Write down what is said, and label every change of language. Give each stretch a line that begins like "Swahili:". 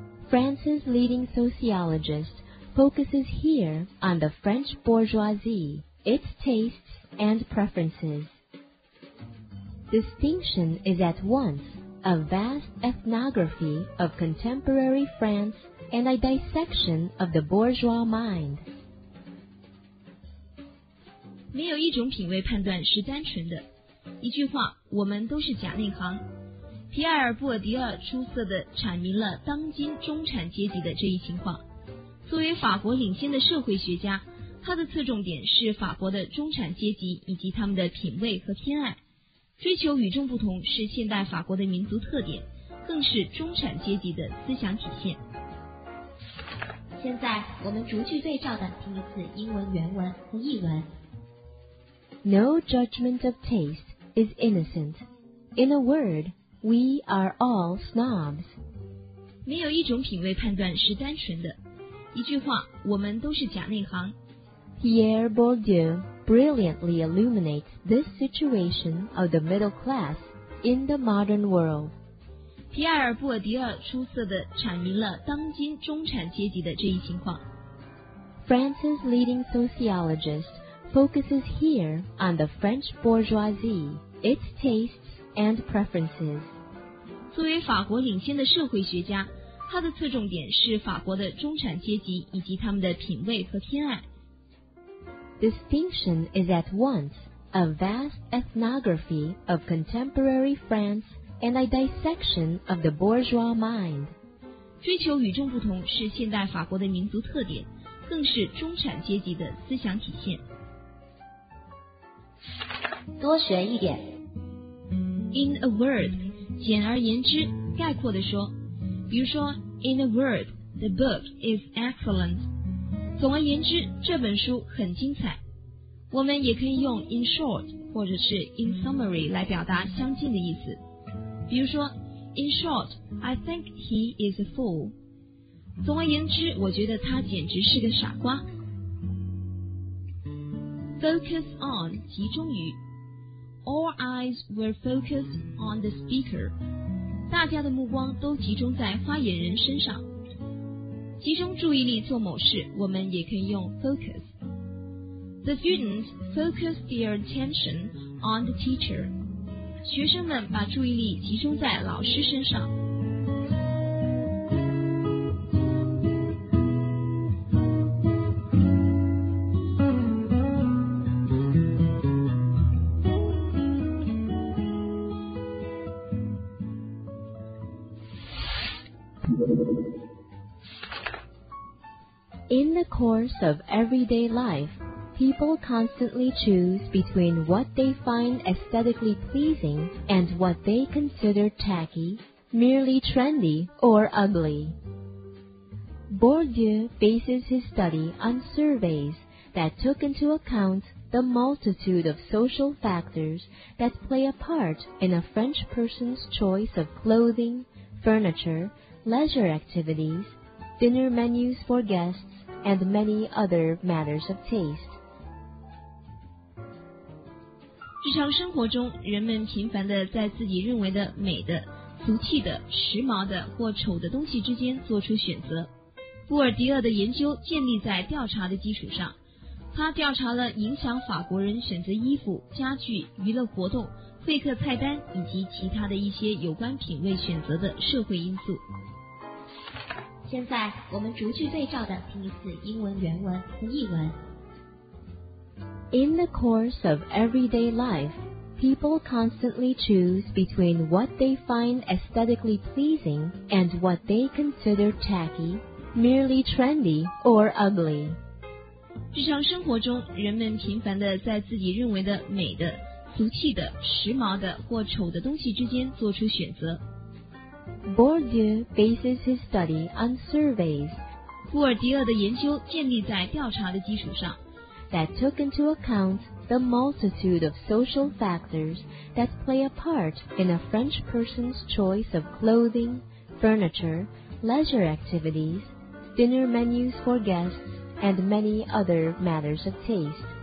English: France's leading sociologist focuses here on the French bourgeoisie, its tastes and preferences. Distinction is at once a vast ethnography of contemporary France and a dissection of the bourgeois mind.
Chinese: 没有一种品味判断是单纯的，一句话，我们都是假内行。皮埃尔·布尔迪厄出色地阐明了当今中产阶级的这一情况。作为法国领先的社会学家，他的侧重点是法国的中产阶级以及他们的品味和偏爱，追求与众不同是现代法国的民族特点，更是中产阶级的思想体现。现在我们逐句对照的听一次英文原文和译文。
English: No judgment of taste is innocent. In a word, we are all snobs.
Chinese: 没有一种品味判断是单纯的。一句话，我们都是假内行。
English: Pierre Bourdieu brilliantly illuminates this situation of the middle class in the modern world.
Chinese: 皮埃尔·布尔迪厄出色地阐明了当今中产阶级的这一情况。
English: France's leading sociologist focuses here on the French bourgeoisie, its tastes and preferences.
Chinese: 作为法国领先的社会学家，他的侧重点是法国的中产阶级以及他们的品味和偏爱。
English: Distinction is at once a vast ethnography of contemporary France and a dissection of the bourgeois mind.
Chinese: 追求与众不同是现代法国的民族特点，更是中产阶级的思想体现。多学一点。
English: In a word,
Chinese: 简而言之，概括地说，比如说
English: ,In a word, the book is excellent.
Chinese: 总而言之，这本书很精彩。我们也可以用
English: in short,
Chinese: 或者是
English: in summary
Chinese: 来表达相近的意思。比如说
English: ,In short, I think he is a fool.
Chinese: 总而言之，我觉得他简直是个傻瓜。
English: Focus on,
Chinese: 集中于。
English: All eyes were focused on the speaker.
Chinese: 大家的目光都集中在发言人身上。集中注意力做某事，我们也可以用 focus.
English: The students focused their attention on the teacher.
Chinese: 学生们把注意力集中在老师身上。
English: In the course of everyday life, people constantly choose between what they find aesthetically pleasing and what they consider tacky, merely trendy, or ugly. Bourdieu bases his study on surveys that took into account the multitude of social factors that play a part in a French person's choice of clothing, furniture, leisure activities, dinner menus for guests,and many other matters of taste.
Chinese: 日常生活中，人们频繁地在自己认为的美的、俗气的、时髦的或丑的东西之间做出选择。布尔迪厄的研究建立在调查的基础上，他调查了影响法国人选择衣服、家具、娱乐活动、会客菜单以及其他的一些有关品味选择的社会因素。现在我们逐句对照的听一次英文原文和译文。
English: In the course of everyday life, people constantly choose between what they find aesthetically pleasing and what they consider tacky, merely trendy or ugly.
Chinese: 日常生活中，人们频繁地在自己认为的美的、俗气的、时髦的或丑的东西之间做出选择。
English: Bourdieu bases his study on surveys.
Chinese: 布尔迪厄的研究建立在调查的基础上。
English: That took into account the multitude of social factors that play a part in a French person's choice of clothing, furniture, leisure activities, dinner menus for guests, and many other matters of taste.